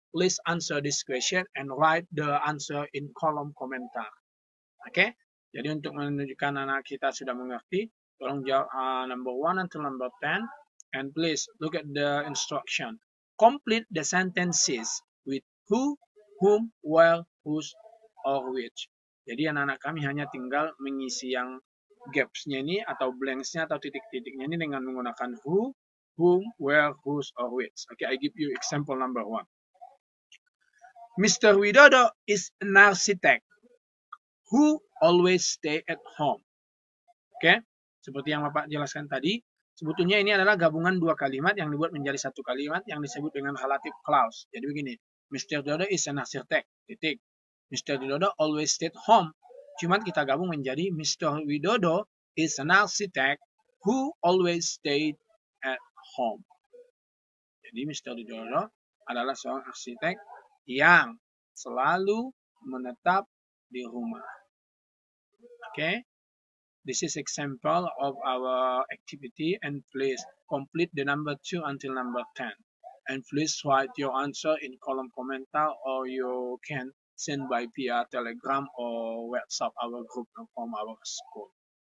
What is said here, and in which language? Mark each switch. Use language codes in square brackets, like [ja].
[en] please answer this question and write the answer in [id] kolom komentar. [en] Okay? [id] Jadi untuk menunjukkan anak kita sudah mengerti, tolong jawab [en] number 1 until number 10. And please look at the instruction. Complete the sentences with who, whom, where, whose, or which. [id] Jadi anak-anak kami hanya tinggal mengisi yang gaps-nya ini atau blanks-nya atau titik-titiknya ini dengan menggunakan [en] who, whom, where, whose, or which. Okay, I give you example number 1. Mr. Widodo is an architect who always stay at home. Okay? [id] Seperti yang Bapak jelaskan tadi, sebetulnya ini adalah gabungan dua kalimat yang dibuat menjadi satu kalimat yang disebut dengan relative clause. Jadi begini, [en] Mr. Widodo is an architect. [id] Titik. [en] Mr. Widodo always stay at home. [id] Cuman kita gabung menjadi Mr. [en] Widodo is an architect who always stay at home. [id] Jadi Mr. Widodo adalah seorang arsitek yang selalu menetap di rumah. [en] Okay? This is example of our activity and please complete the number 2 until number 10. And please write your answer in [id] kolom komentar [en] or you can send by via Telegram or WhatsApp our group from our school.